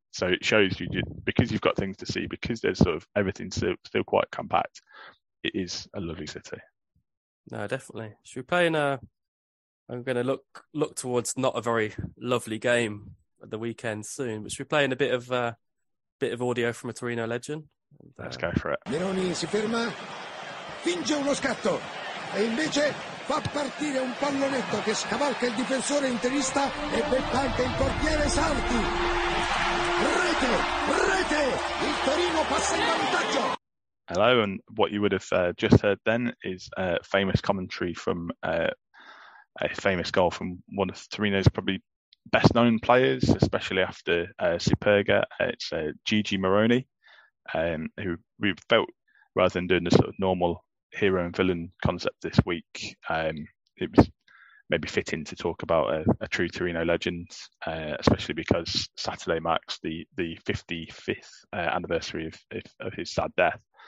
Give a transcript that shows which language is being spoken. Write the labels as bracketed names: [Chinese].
[English] So it shows you, because you've got things to see, because there's sort of everything still quite compact, it is a lovely city. No, definitely. Should we play in a... I'm going to look towards not a very lovely game at the weekend soon, but should we play in a bit of audio from a Torino legend? Let's go for it. [Italian] Meroni si ferma, finge uno scatto, e invece fa partire un pallonetto che scavalca il difensore interista e beppante il portiere Sarti. Rete! Rete! Il Torino passa in vantaggio! [English] Hello, and what you would have just heard then is famous commentary from a famous goal from one of Torino's probably best known players, especially after Superga. It's Gigi Moroni, who we felt, rather than doing the sort of normal hero and villain concept this week, it was maybe fitting to talk about a true Torino legend, especially because Saturday marks the 55th anniversary of his sad death.